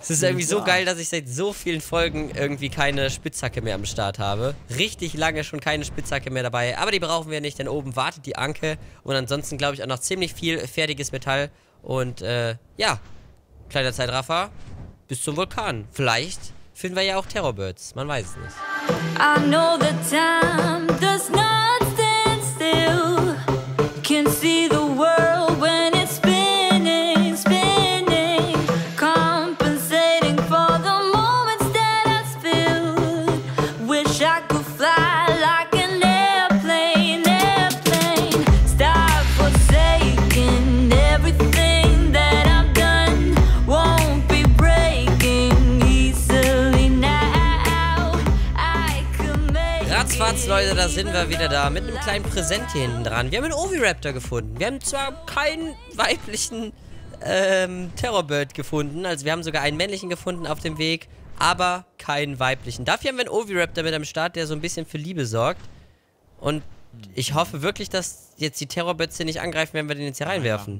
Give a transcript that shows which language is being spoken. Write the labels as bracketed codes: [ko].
[de] Es ist irgendwie so geil, dass ich seit so vielen Folgen irgendwie keine Spitzhacke mehr am Start habe. Richtig lange schon keine Spitzhacke mehr dabei. Aber die brauchen wir nicht, denn oben wartet die Anke. Und ansonsten, glaube ich, auch noch ziemlich viel fertiges Metall. Und, ja. Kleiner Zeitraffer. Bis zum Vulkan. Vielleicht finden wir ja auch Terrorbirds. Man weiß es nicht. [en] I know the time does not stand still. Can see the world when it's spinning, spinning. Compensating for the moments that I spill. Wish I could fly like an airplane, airplane. Stop forsaking everything that I've done. Won't be breaking easily now. I can make it. [de] Ratzfatz, Leute, da sind wir wieder da mit einem kleinen Präsent hier hinten dran. Wir haben einen Oviraptor gefunden. Wir haben zwar keinen weiblichen Terrorbird gefunden, also wir haben sogar einen männlichen gefunden auf dem Weg, aber keinen weiblichen. Dafür haben wir einen Oviraptor mit am Start, der so ein bisschen für Liebe sorgt. Und ich hoffe wirklich, dass jetzt die Terrorbirds hier nicht angreifen, wenn wir den jetzt hier reinwerfen.